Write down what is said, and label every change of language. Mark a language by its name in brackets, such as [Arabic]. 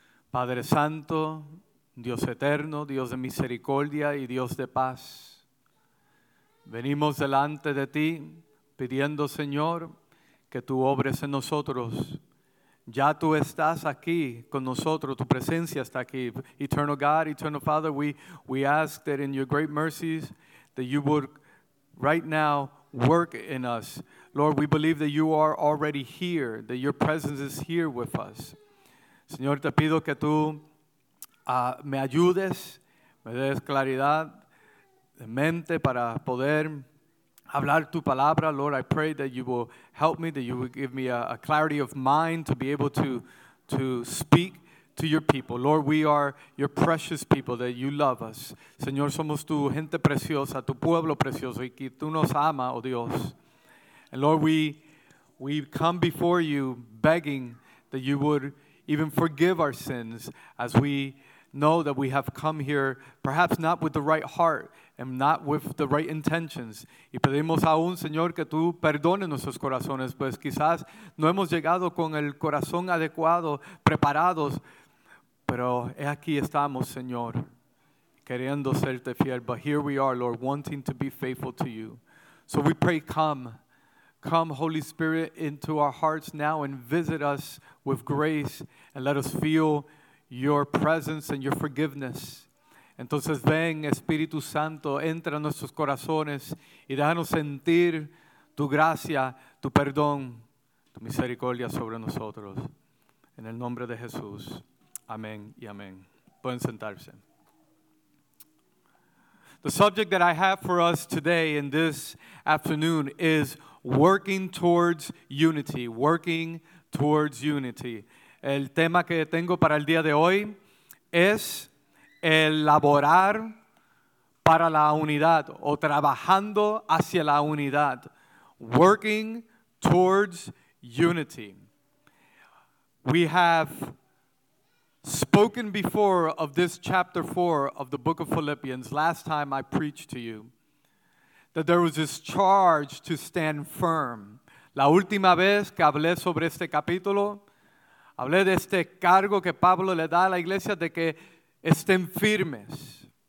[Spanish] Padre Santo, Dios eterno, Dios de misericordia y Dios de paz. Venimos delante de ti pidiendo, Señor, que tú obres en nosotros. Ya tú estás aquí con nosotros, tu presencia está aquí. [English] Eternal God, Eternal Father, we ask that in your great mercies that you would right now work in us. Lord, we believe that you are already here, that your presence is here with us. [Spanish] Señor, te pido que tú me ayudes, me des claridad de mente para poder hablar tu palabra. [English] Lord, I pray that you will help me, that you will give me a clarity of mind to be able to speak to your people. Lord, we are your precious people, that you love us. [Spanish] Señor, somos tu gente preciosa, tu pueblo precioso, y que tú nos ama, oh Dios. [English] And Lord, we come before you begging that you would even forgive our sins, as we know that we have come here perhaps not with the right heart and not with the right intentions. [Spanish] Y pedimos aún, Señor, que tú perdones nuestros corazones, pues quizás no hemos llegado con el corazón adecuado, preparados, pero aquí estamos, Señor, queriendo serte fiel. [English] But here we are, Lord, wanting to be faithful to you. So we pray, come, Holy Spirit, into our hearts now and visit us with grace and let us feel your presence and your forgiveness. [Spanish] Entonces ven, Espíritu Santo, entra en nuestros corazones y déjanos sentir tu gracia, tu perdón, tu misericordia sobre nosotros. En el nombre de Jesús, amén y amén. Pueden sentarse. [English] The subject that I have for us today in this afternoon is working towards unity, working towards unity. [Spanish] El tema que tengo para el día de hoy es elaborar para la unidad o trabajando hacia la unidad. [English] Working towards unity. We have spoken before of this chapter 4 of the book of Philippians last time I preached to you, that there was this charge to stand firm. [Spanish] La última vez que hablé sobre este capítulo, hablé de este cargo que Pablo le da a la iglesia de que estén firmes.